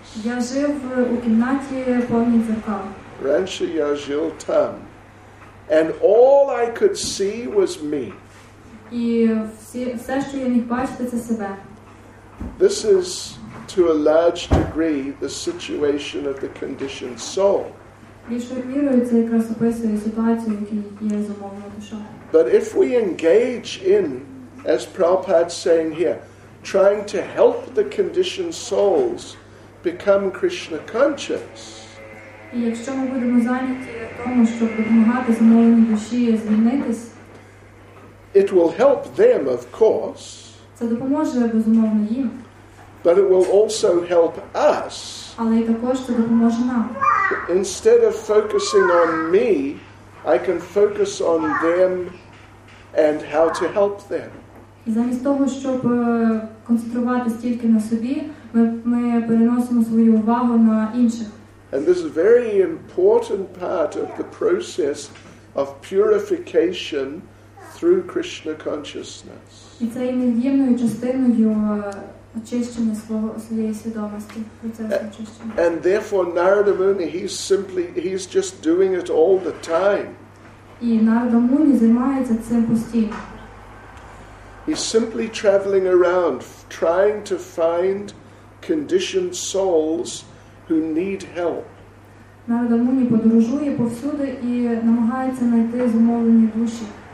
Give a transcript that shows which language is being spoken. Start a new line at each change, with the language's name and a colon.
Ukrainian: Я жив у кімнаті повній дзеркал. Раніше я жив там.
English: And all I could see was me.
Ukrainian: І все, що я міг бачити, це себе.
English: This is, to a large degree, the situation of the conditioned soul.
Ukrainian: Більшою мірою це якраз описує ситуацію, в якій є зумовлена душа.
English: But if we engage in, as Prabhupada's saying here, trying to help the conditioned souls become Krishna conscious.
Ukrainian: І якщо ми будемо зайняті тому, щоб допомагати зумовленій душі звільнитись,
English: it will help them, of course.
Ukrainian: Це допоможе безумовно їм.
English: But it will also help us.
Ukrainian: Але також це допоможе нам.
English: Instead of focusing on me, I can focus on them and how to help them.
Ukrainian: Замість того, щоб концентруватися тільки на собі, ми переносимо свою увагу на інших.
English: And this is a very important part of the process of purification through Krishna consciousness.
Ukrainian: І це невід'ємною частиною очищення своєї свідомості, процесу очищення.
English: And therefore Narada Muni, he's just doing it all the time.
Ukrainian: І Нарада Муні займається цим постійно.
English: He's simply traveling around trying to find conditioned souls who need help.
Ukrainian: Нарада Муні подорожує повсюди і намагається знайти зумовлені душі.